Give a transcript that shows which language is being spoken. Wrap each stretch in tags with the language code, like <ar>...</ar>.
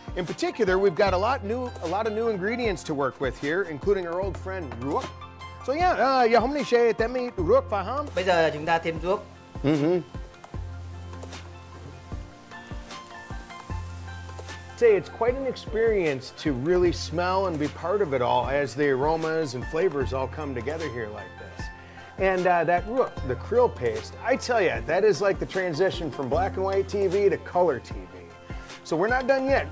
<en>In particular, we've got a lot of new ingredients to work with here, including our old friend ruốc. So yeah,</en> <vi>giờ hôm nay sẽ thêm ít ruốc phải không? Bây giờ chúng ta thêm ruốc.</vi> <en>Say it's quite an experience to really smell and be part of it all as the aromas and flavors all come together here like this. And that ruốc, the krill paste, I tell you, that is like the transition from black and white TV to color TV. So we're not done yet.</en>